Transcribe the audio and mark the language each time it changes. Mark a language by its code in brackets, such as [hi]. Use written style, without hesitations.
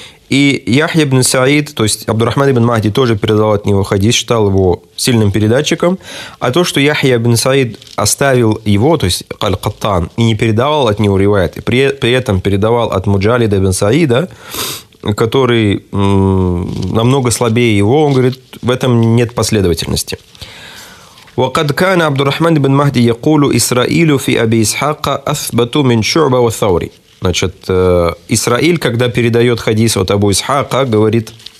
[ru] И Яхья ибн Саид, то есть Абдурахман ибн Махди тоже передал от него хадис, считал его сильным передатчиком. А то, что Яхья ибн Саид оставил его, то есть Каль-Каттан, и не передавал от него ривайт, и при этом передавал от Муджалида ибн Саида, который намного слабее его, он говорит, в этом нет последовательности. [ar] وقد كان عبد الرحمن بن مهدي يقول إسرائيل في أبي إسحاق أثبت من شعبة والثوري. [ru] Значит, Исраиль, когда передает хадис от Абу Исхака, говорит,